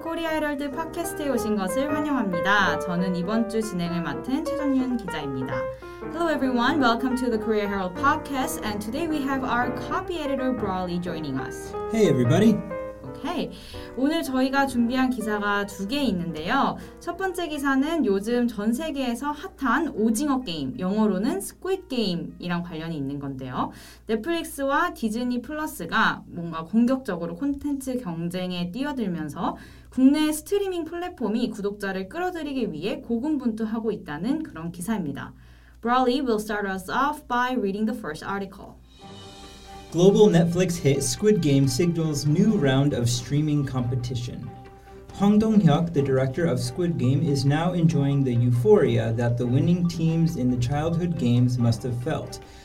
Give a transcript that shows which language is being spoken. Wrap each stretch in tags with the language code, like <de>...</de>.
<ko>코리아 헤럴드 팟캐스트에 오신 것을 환영합니다. 저는 이번 주 진행을 맡은 최정윤 기자입니다.</ko> <en>Hello everyone. Welcome to the Korea Herald podcast. And today we have our copy editor Brawley joining us. Hey everybody. Okay.</en> <ko>오늘 저희가 준비한 기사가 두 개 있는데요. 첫 번째 기사는 요즘 전 세계에서 핫한 오징어 게임, 영어로는 스퀴드 게임이랑 관련이 있는 건데요. 넷플릭스와 디즈니 플러스가 뭔가 공격적으로 콘텐츠 경쟁에 뛰어들면서 국내 스트리밍 플랫폼이 구독자를 끌어들이기 위해 고군분투하고 있다는 그런 기사입니다.</ko> <en>Brawley will start us off by reading the first article. Global Netflix hit Squid Game signals new round of streaming competition. Hong Dong-hyuk, the director of Squid Game, is now enjoying the euphoria that the winning teams in the childhood games must have felt.</en>